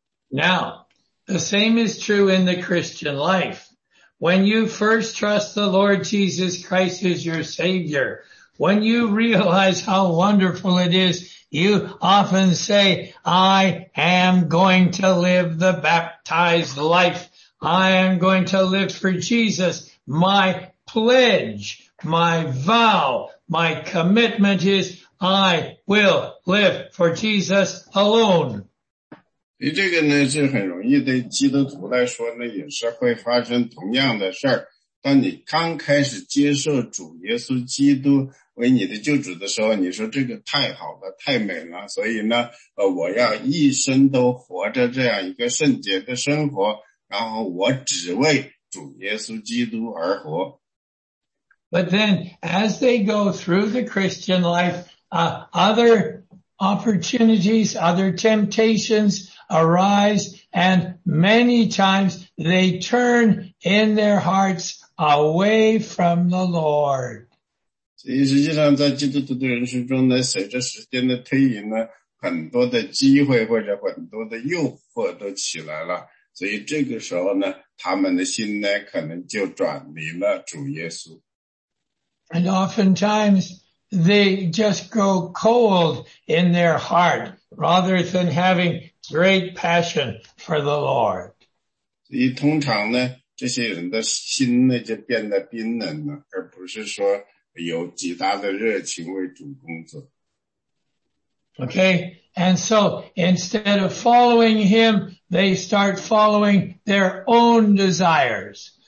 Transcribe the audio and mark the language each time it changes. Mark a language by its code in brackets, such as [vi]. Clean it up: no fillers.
[en] Now, the same is true in the Christian life. When you first trust the Lord Jesus Christ as your Savior, when you realize how wonderful it is, you often say, I am going to live the baptized life. I am going to live for Jesus. My pledge, my vow, my commitment is, I will live for Jesus alone. [zh] 所以这个呢是很容易对基督徒来说呢也是会发生同样的事儿。当你刚开始接受主耶稣基督为你的救主的时候，你说这个太好了，太美了，所以呢我要一生都活着这样一个圣洁的生活，然后我只为主耶稣基督而活。 [en] But then, as they go through the Christian life, other opportunities, other temptations,arise, and many times they turn in their hearts away from the Lord. [zh] 所以实际上在基督徒的人生中呢，随着时间的推移呢，很多的机会或者很多的诱惑都起来了，所以这个时候呢，他们的心呢可能就转离了主耶稣。 [en] And oftentimes they just grow cold in their heart rather than havingGreat passion for the Lord. [zh] 所以通常呢，这些人的心呢就变得冰冷了，而不是说有极大的热情为主工作。 [en] Okay, and so instead of following him, they start following their own desires.